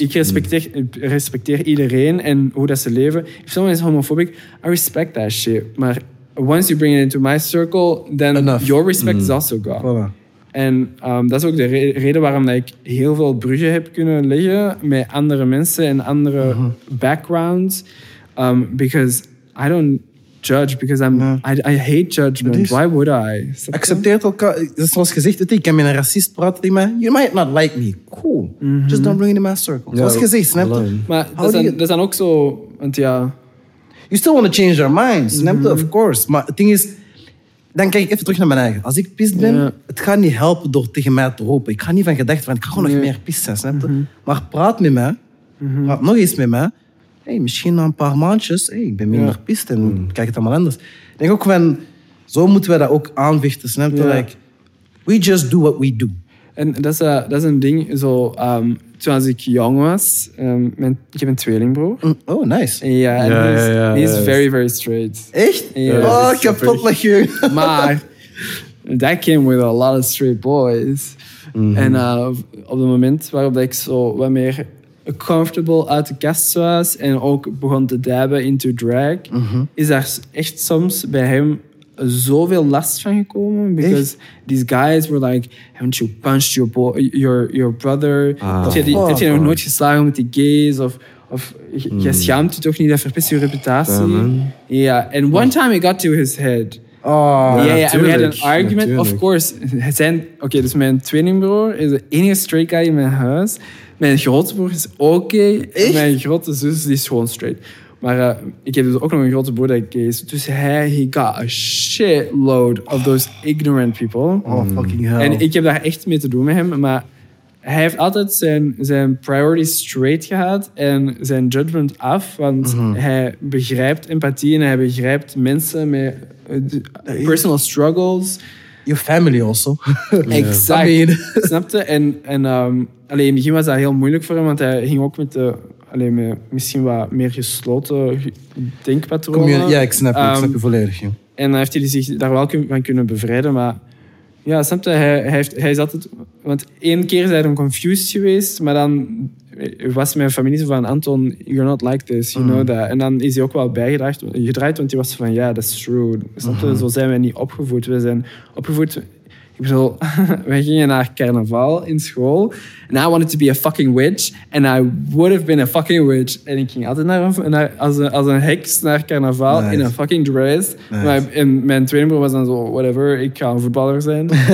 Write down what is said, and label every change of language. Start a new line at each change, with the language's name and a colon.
Dutch: Ik respecteer iedereen en hoe dat ze leven.
English: If someone is homophobic, I respect that shit. Maar once you bring it into my circle, then your respect is also gone.
Dutch: Voilà. En dat is ook de reden waarom ik heel veel bruggen heb kunnen leggen met andere mensen en andere backgrounds.
English: Because I don't judge, because I hate judgment. Why would I?
Dutch: Accepteert elkaar. Zoals gezegd, ik kan met een racist praten die mij...
English: You might not like me. Cool. Mm-hmm. Just don't bring it in my circle.
Dutch: Yeah, zoals gezegd, snap je? Maar dat is dan ook zo... Want ja...
English: You still want to change your mind,
Dutch: snap je?
English: Of course.
Dutch: Maar het ding is... Dan kijk ik even terug naar mijn eigen. Als ik pist ben, het gaat niet helpen door tegen mij te roepen. Ik ga niet van gedachten, want ik ga gewoon nog meer pist zijn. Snap je? Maar praat met mij. Praat nog eens met mij. Hey, misschien na een paar maandjes. Hey, ik ben minder pist en kijk het allemaal anders. Ik denk ook van, zo moeten wij dat ook aanvechten. Snap je?
English: Like, we just do what we do.
Dutch: En dat is een ding. Zo, toen ik jong was, ik heb een tweelingbroer.
English: Oh, nice.
Dutch: Ja, hij is
English: very, very straight.
Dutch: Echt? Oh, kapot met je. Maar dat
English: came with a lot of straight boys.
Dutch: Mm-hmm. En op het moment waarop ik zo wat meer comfortable uit de kast was en ook begon te dabben into drag, mm-hmm. is daar echt soms bij hem zoveel last van gekomen.
English: Because echt? These guys were like, haven't you punched your brother?
Dutch: Heb je nog nooit geslagen met die gays? Of je schaamt je toch niet, dat verpest je reputatie? Ja, yeah.
English: And one time it got to his head. Oh, yeah, yeah. And we had an argument, natuurlijk. Of course.
Dutch: Okay, dus mijn tweelingbroer is de enige straight guy in mijn huis. Mijn grote broer is okay. Echt? Mijn grote zus is gewoon straight. Maar ik heb dus ook nog een grote broer dat gay is.
English: Dus he got a shitload of those ignorant people. Oh, fucking hell.
Dutch: En ik heb daar echt mee te doen met hem. Maar hij heeft altijd zijn priorities straight gehad en zijn judgment af. Want hij begrijpt empathie en hij begrijpt mensen met personal struggles.
English: Your family also.
Dutch: Exact. mean. Snapte? En in het begin was dat heel moeilijk voor hem, want hij ging ook met de... Alleen met misschien wat meer gesloten denkpatronen. Ik snap je volledig. Ja. En dan heeft hij zich daar wel van kunnen bevrijden. Maar ja, snap je? Hij is altijd... Want één keer is hij dan confused geweest. Maar dan was mijn familie zo van...
English: Anton, you're not like this. You know that.
Dutch: En dan is hij ook wel bijgedraaid. Want hij was van... Ja, yeah,
English: that's true.
Dutch: Snap je? Zo zijn wij niet opgevoed. We zijn opgevoed... Ik bedoel, wij gingen naar carnaval in school.
English: And I wanted to be a fucking witch. And I would have been a fucking witch.
Dutch: En ik ging altijd als een heks naar carnaval. Nice. In een fucking dress. Nice. Maar mijn tweelingbroer was dan zo, whatever, ik ga een voetballer zijn.